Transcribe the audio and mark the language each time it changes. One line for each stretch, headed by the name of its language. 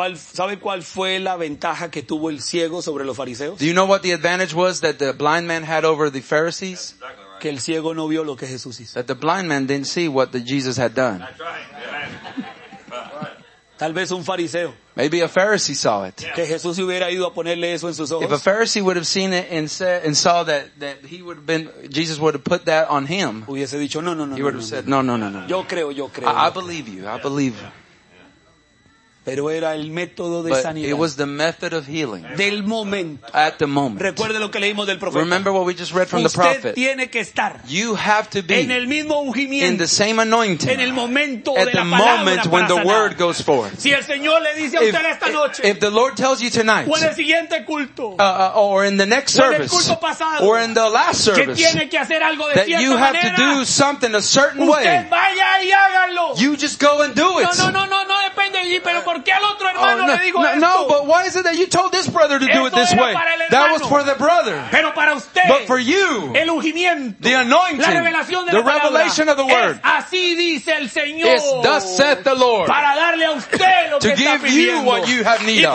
Spanish: ¿Sabe cuál fue la ventaja que tuvo el ciego sobre los fariseos?
English: Do you know what the advantage was that the blind man had over the Pharisees? Yeah, exactly right.
Spanish: Que el ciego no vio lo que Jesús hizo.
English: That the blind man didn't see what Jesus had done.
Spanish: Tal vez un fariseo.
English: Maybe a Pharisee saw it.
Spanish: Que Jesús hubiera ido a ponerle eso en sus ojos.
English: If a Pharisee would have seen it and saw that he would have been, Jesus would have put that on him.
Spanish: Hubiese dicho no, no, no.
English: He would have said no.
Spanish: Yo creo.
English: I believe you.
Spanish: Pero era el método de sanidad.
English: It was the method of healing.
Spanish: Del momento.
English: At the moment.
Spanish: Recuerde lo que leímos del profeta.
English: Remember what we just read from the prophet.
Spanish: Usted tiene que estar.
English: You have to be.
Spanish: En el mismo ungimiento.
English: In the same anointing.
Spanish: En el momento de la palabra.
English: At the moment when the word goes forth.
Spanish: Si el Señor le dice a usted esta noche.
English: If the Lord tells you tonight.
Spanish: O en el siguiente culto.
English: Or in the next service.
Spanish: O en el culto pasado.
English: Or in the last service.
Spanish: Que tiene que hacer algo de cierta manera.
English: That you have to do something a certain way.
Spanish: Usted vaya y hágalo.
English: You just go and do it.
Spanish: No depende de mí, pero ¿por qué al otro hermano le digo esto?
English: No, but why is it that you told this brother to
Spanish: eso
English: do it this way? That was for the brother.
Spanish: Pero para usted,
English: but for you,
Spanish: el ungimiento,
English: the anointing,
Spanish: la revelación de
English: the revelation
Spanish: palabra,
English: of the word,
Spanish: es así dice el Señor,
English: it's thus saith the Lord,
Spanish: para darle a usted lo
English: to give
Spanish: está pidiendo,
English: you what you have need of.